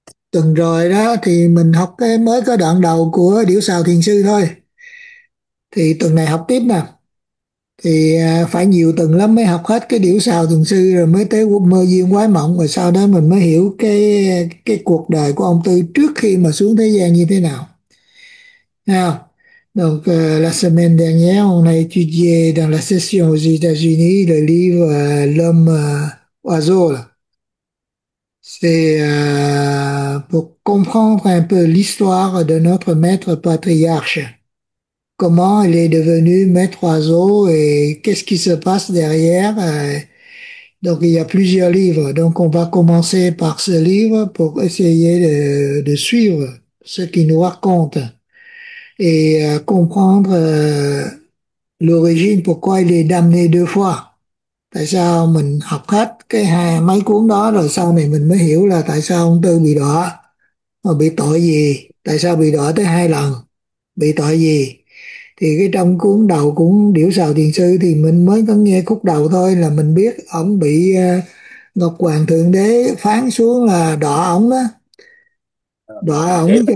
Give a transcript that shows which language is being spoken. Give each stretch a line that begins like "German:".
Vietnamese: Tuần rồi đó thì mình học cái mới có đoạn đầu của Điểu Xào Thiền Sư thôi. Thì tuần này học tiếp nè. thì phải nhiều tầng lắm mới học hết cái điểu xào thường sư rồi mới tới mơ duyên quái mộng, rồi sau đó mình mới hiểu cái cuộc đời của ông Tư trước khi mà xuống thế gian như thế nào.
French: Nào, donc la semaine dernière on a étudié dans la session aux États-Unis le livre L'homme oiseau là. C'est pour comprendre un peu l'histoire de notre maître patriarche. Comment il est devenu maître oiseau et qu'est-ce qui se passe derrière. Donc il y a plusieurs livres. Donc on va commencer par ce livre pour essayer de suivre ce qu'il nous raconte et comprendre l'origine pourquoi il est damné deux fois.
Vietnamese: Tại sao mình học hết cái hai mấy cuốn đó rồi sau này mình mới hiểu là tại sao ông Tư bị đọa mà bị tội gì, tại sao bị đọa tới hai lần, bị tội gì. Thì cái trong cuốn đầu cuốn Điểu Xào Thiền Sư thì mình mới có nghe khúc đầu thôi là mình biết ổng bị Ngọc Hoàng Thượng Đế phán xuống là đọa ổng đó, đọa